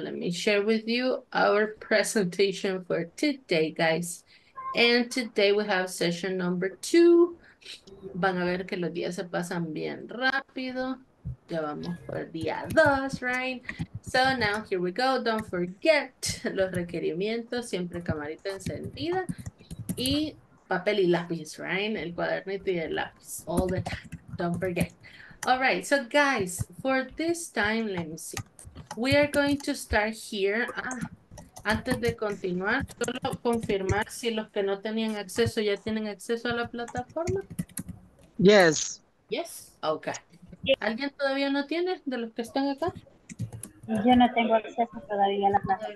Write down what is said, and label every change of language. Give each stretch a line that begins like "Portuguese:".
English: Let me share with you our presentation for today, guys. And today we have session number two.
Spanish: Van a ver que los días se pasan bien rápido. Ya vamos por día dos,
English: right? So now here we go. Don't forget
Spanish: los requerimientos. Siempre camarita encendida y papel y lápiz, right? El cuadernito y el lápiz.
English: All the time. Don't forget. All right, so guys, for this time, let me see. We are going to start here.
Spanish: Ah, antes de continuar, solo confirmar si los que no tenían acceso ya tienen acceso a la plataforma.
English: Yes. Yes. Okay.
Spanish: ¿Alguien todavía no tiene de los que están acá? Yo no tengo acceso todavía a la plataforma.